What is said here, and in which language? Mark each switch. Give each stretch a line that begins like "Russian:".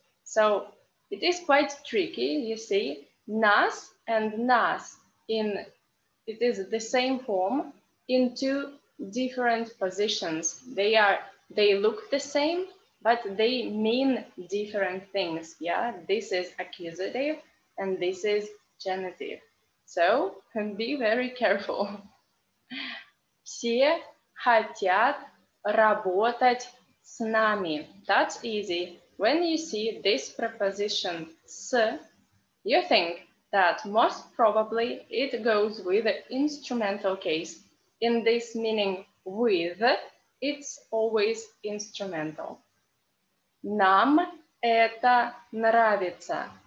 English: So it is quite tricky, you see. Нас and нас in, it is the same form in two different positions. They look the same, but they mean different things. Yeah, this is accusative and this is genitive. So be very careful.
Russian: Все хотят работать с нами.
English: That's easy. When you see this preposition с, you think that most probably it goes with the instrumental case. In this meaning with, it's always instrumental.
Russian: Нам это нравится.